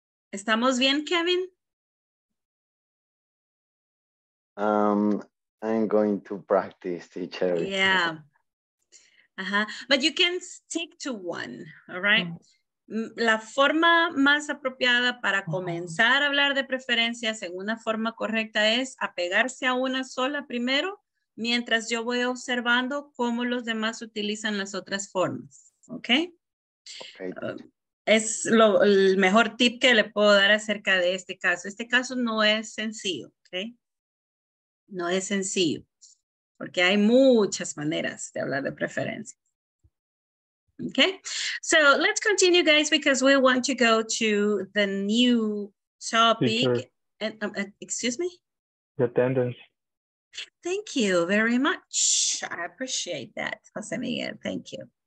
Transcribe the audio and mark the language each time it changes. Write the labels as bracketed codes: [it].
[es] ¿Estamos bien, Kevin? [en] I'm going to practice, teacher. Yeah. But you can stick to one, all right? [es] La forma más apropiada para comenzar a hablar de preferencias en una forma correcta es apegarse a una sola primero, mientras yo voy observando cómo los demás utilizan las otras formas, ¿ok? Es el mejor tip que le puedo dar acerca de este caso. Este caso no es sencillo, ¿ok? No es sencillo. Porque hay muchas maneras de hablar de preferencia. [en] Okay, so let's continue, guys, because we want to go to the new topic. Teacher, excuse me? The attendance. Thank you very much. I appreciate that, Jose Miguel. Thank you.